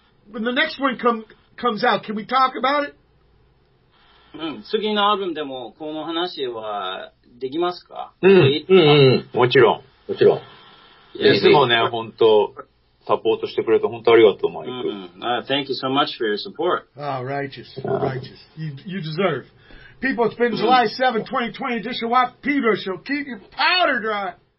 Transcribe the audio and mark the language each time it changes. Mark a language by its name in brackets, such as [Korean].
[English] When the next one comes out, can we talk about it? [Japanese] 次のアルバムでもこの話はできますか? もちろん。いつもね、本当サポートしてくれて本当ありがとう、マイク。 [English] Thank you so much for your support. Righteous. You deserve. People, it's been July 7, 2020 edition of Wap Pedro Show. Keep your powder dry.